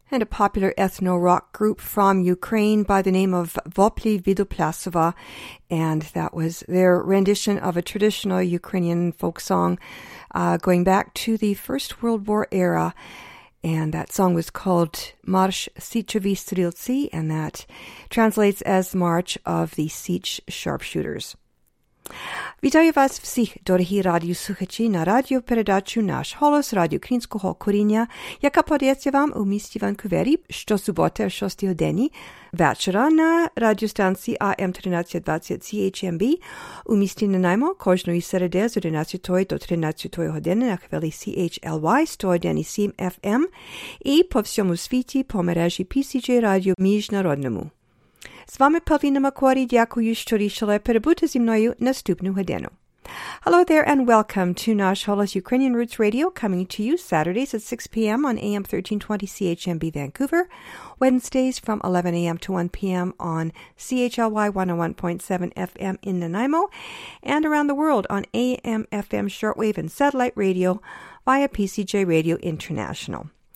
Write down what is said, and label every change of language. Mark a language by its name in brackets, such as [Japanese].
[English] Popular ethno-rock group from Ukraine by the name of Vopli Vidoplasova, and that was their rendition of a traditional Ukrainian folk song going back to the First World War era, and that song was called Marsh Sichovi Strilci, and that translates as March of the Sich Sharpshooters. [Ukrainian] Вітаю вас всіх, дорогі радіослухачі, на радіопередачу «Наш голос» Радіо Українського коріння, яка подається вам у місті Ванкувері щосуботи о 6-й годині вечора на радіостанції AM1320 CHMB у місті Нанаймо кожної середи з 11 до 13 години на хвилі CHLY 101.7 FM і по всьому світі по мережі PCJ Радіо Міжнародному. З вами Павліна Макуарі, дякую, що рішили перебути зі мною наступну годину. [English] Hello there and welcome to Nash Holos Ukrainian Roots Radio, coming to you Saturdays at 6 p.m. on AM 1320 CHMB Vancouver, Wednesdays from 11 a.m. to 1 p.m. on CHLY 101.7 FM in Nanaimo, and around the world on AM, FM, shortwave, and satellite radio via PCJ Radio International.